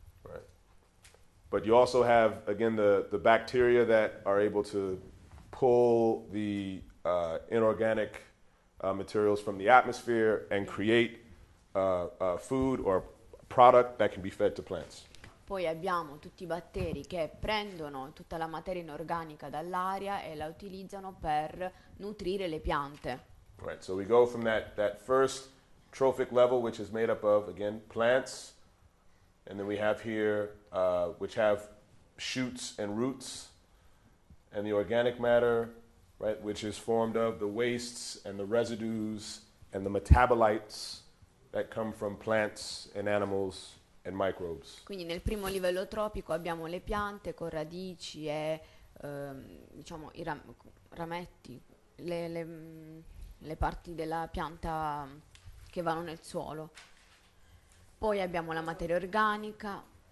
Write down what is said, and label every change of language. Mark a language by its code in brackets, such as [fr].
[en] Right. But you also have again the bacteria that are able to pull the inorganic materials from the atmosphere and create food or product that can be fed to plants. [it] Poi abbiamo tutti i batteri che prendono tutta la materia inorganica dall'aria e la utilizzano per nutrire le piante. [en] Right, so we go from that first trophic level, which is made up of again plants, and then we have here which have shoots and roots, and the organic matter. Right, which is formed of the wastes and the residues and the metabolites that come from plants and animals and microbes. [it] Quindi nel primo livello tropico abbiamo le piante con radici e diciamo i rametti, le parti della pianta che vanno nel suolo. Poi abbiamo la materia organica